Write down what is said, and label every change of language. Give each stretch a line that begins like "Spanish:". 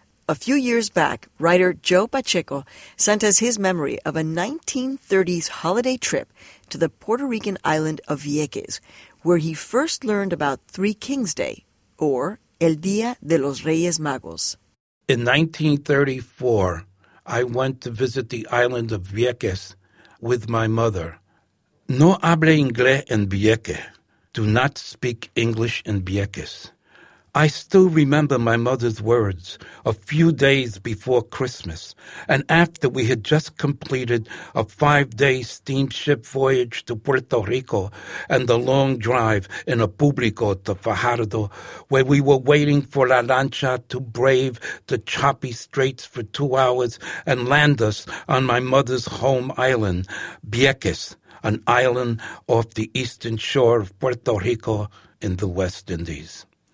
English: A few years back, writer Joe Pacheco sent us his memory of a 1930s holiday trip to the Puerto Rican island of Vieques, where he first learned about Three Kings Day, or El Día de los Reyes Magos. In 1934, I went to visit the island of Vieques with my mother.
Spanish: No hable inglés en Vieques.
English: Do not speak English in Vieques. I still remember my mother's words a few days before Christmas and after we had just completed a five-day steamship voyage to Puerto Rico and the long drive in a público to Fajardo, where we were waiting for la lancha to brave the choppy straits for 2 hours and land us on my mother's home island, Vieques, an island off the eastern shore of Puerto Rico in the West Indies.